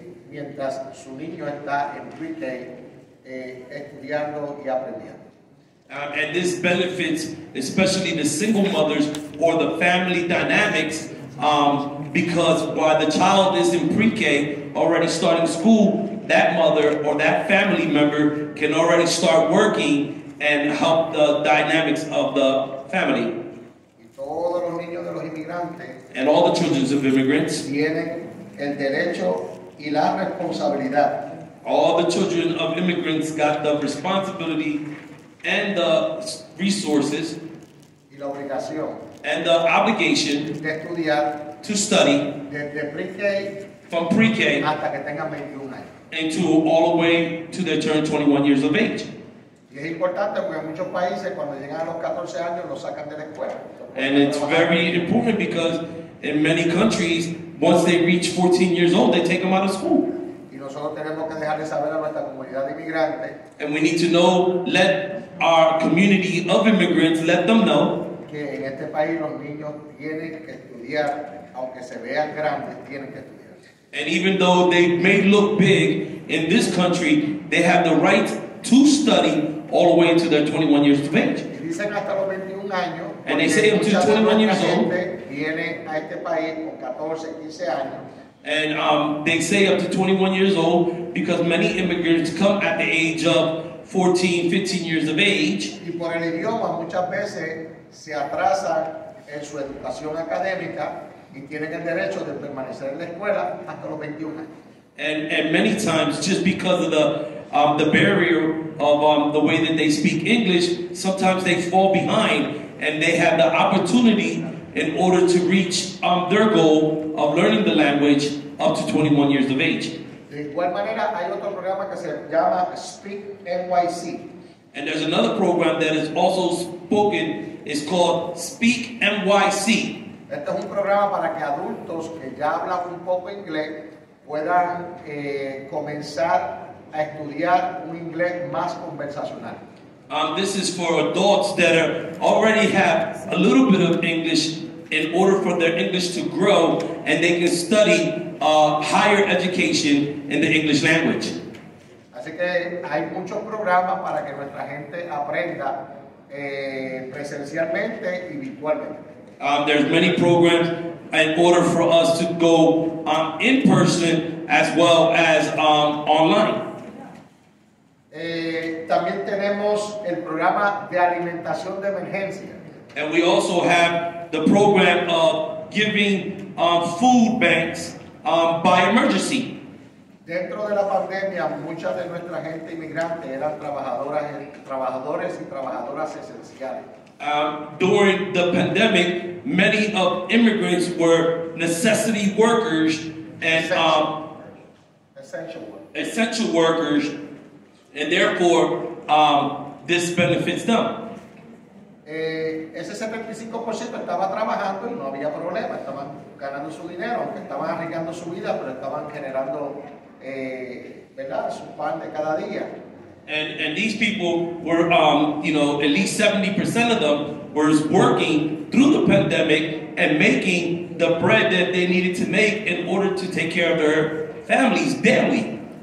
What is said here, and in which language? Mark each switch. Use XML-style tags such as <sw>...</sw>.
<es>Mientras su niño está en pre-K estudiando y aprendiendo.</es> <en>And this benefits especially the single mothers or the family dynamics, because while the child is in pre-K already starting school, that mother or that family member can already start working and help the dynamics of the family.</en> <es>Y todos los niños de los inmigrantes,</es> <en>and all the children of immigrants,</en> <es>tienen el derecho y la responsabilidad.</es> <en>All the children of immigrants got the responsibility and the resources</en> <es>y la obligación</es> <en>and the obligation</en> <es>de estudiar</es> <en>to study</en> <es>desde pre-K</es> <en>from pre-K</en> <es>hasta que tengan 21 años</es> <en>until all the way to their turn 21 years of age.</en> <es>Y es importante porque en muchos países cuando llegan a los 14 años los sacan de la escuela.</es> <en>And it's very important because in many countries, once they reach 14 years old, they take them out of school.</en> <es>Y nosotros tenemos que dejarle saber a nuestra comunidad de inmigrantes,</es> <en>and we need to know, let our community of immigrants, let them know</en> <es>que en este país los niños tienen que estudiar, aunque se vean grandes, tienen que estudiar.</es> <en>And even though they may look big in this country, they have the right to study all the way until their 21 years of age.</en> <es>Y dicen hasta los 21 años.</es> <en>And they say up to 21 years old.</en> <es>Viene a este país con 14, 15 años.</es> <en>And they say up to 21 years old because many immigrants come at the age of 14, 15 years of age.</en> <es>Y por el idioma muchas veces se atrasan en su educación académica y tienen el derecho de permanecer en la escuela hasta los 21 años.</es> <en>And many times, just because of the barrier of the way that they speak English, sometimes they fall behind and they have the opportunity in order to reach their goal of learning the language up to 21 years of age.</en> <es>De igual manera, hay otro programa que se llama Speak NYC.</es> <en>And there's another program that is also spoken, it's called Speak NYC.</en> <es>Este es un programa para que adultos que ya hablan un poco inglés puedan comenzar a estudiar un inglés más conversacional.</es> <en>This is for adults that are already have a little bit of English in order for their English to grow and they can study higher education in the English language.</en> <es>Así que hay muchos programas para que nuestra gente aprenda presencialmente y virtualmente.</es> <en>There's many programs in order for us to go in person as well as online.</en> <es>También tenemos el programa de alimentación de emergencia.</es> <en>And we also have the program of giving food banks by emergency.</en> <es>Dentro de la pandemia, mucha de nuestra gente inmigrante eran trabajadores y trabajadoras esenciales.</es> <en>During the pandemic, many of immigrants were necessity workers and essential workers. And therefore, this benefits them.</en> <es>Ese 75% estaba trabajando y no había problema, estaban ganando su dinero, aunque estaban arriesgando su vida, pero estaban generando ¿verdad? Su pan de cada día.</es> <en>And these people were, you know, at least 70% of them were working through the pandemic and making the bread that they needed to make in order to take care of their families daily.</en>